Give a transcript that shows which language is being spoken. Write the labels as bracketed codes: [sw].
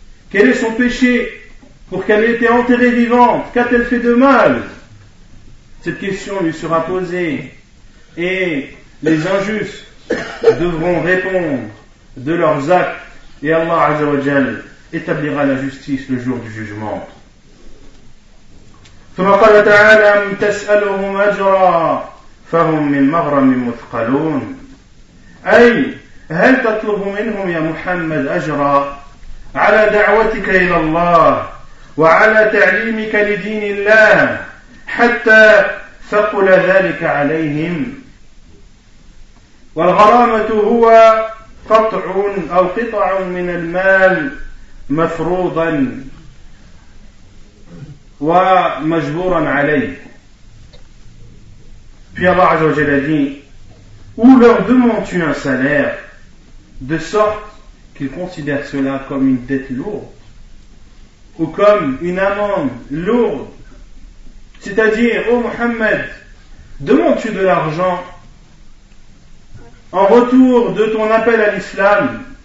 [fr] Quel est son péché pour qu'elle ait été enterrée vivante? Qu'a-t-elle fait de mal? Cette question lui sera posée et les injustes devront répondre de leurs actes et Allah Azza wa Jal établira la justice le jour du jugement. [ar] ثم قال تعالى أم تسألهم أجرا فهم من مغرم مثقلون أي هل تطلب منهم يا محمد أجرا على دعوتك إلى الله وعلى تعليمك لدين الله حتى ثقل ذلك عليهم والغرامة هو قطع أو قطع من المال مفروضا ومجبورا عليه. [fr] Puis Allah Azza wa Jalla dit, ou leur demandes-tu un salaire de sorte qu'ils considèrent cela comme une dette lourde ou comme une amende lourde? C'est-à-dire, ô Muhammad, demandes-tu de l'argent en retour de ton appel à l'islam?